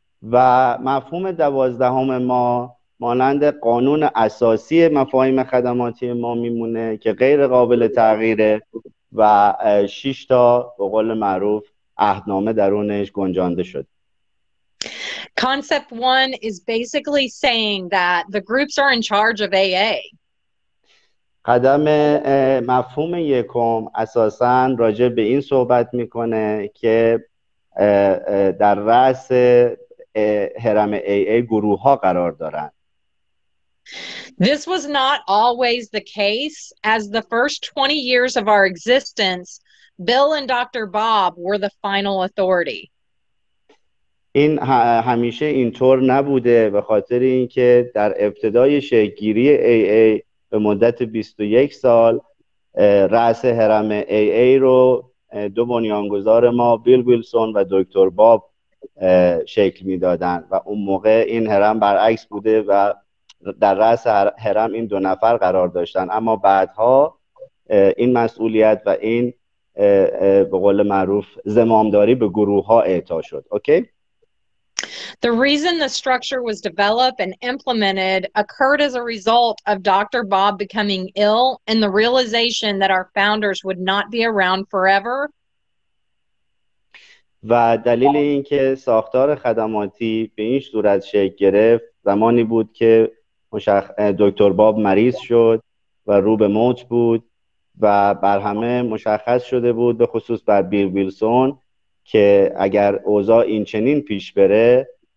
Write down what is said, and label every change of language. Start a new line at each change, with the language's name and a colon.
Persian: و مفهوم دوازدهم ما مانند قانون اساسی مفاهیم خدماتی ما میمونه که غیر قابل تغییره و شش تا به قول معروف عهدنامه درونش گنجانده شد.
English: Concept 1 is basically saying that the groups are in charge of AA.
Persian: قدم مفهوم یکم اساساً راجع به این صحبت میکنه که در رأس هرم AA گروه ها قرار دارن.
English: This was not always the case. As the first 20 years of our existence, Bill and Dr. Bob were the final authority.
Persian: این همیشه اینطور نبوده به خاطر اینکه در ابتدای شکل‌گیری AA به مدت 21 سال رأس هرم AA رو دو بنیانگذار ما بیل ویلسون و دکتر باب شکل می دادن و اون موقع این هرم برعکس بوده و در رأس هرم این دو نفر قرار داشتن، اما بعدها این مسئولیت و این به قول معروف زمامداری به گروه ها اعطا شد. اوکی؟
English: The reason the structure was developed and implemented occurred as a result of Dr. Bob becoming ill and the realization that our founders would not be around forever.
Persian: و دلیل اینکه ساختار خدماتی به این صورت شکل گرفت زمانی بود که دکتر باب مریض شد و رو به موت بود و بر همه مشخص شده بود به خصوص بر بیل ویلسون که اگر اوضاع این چنین پیش بره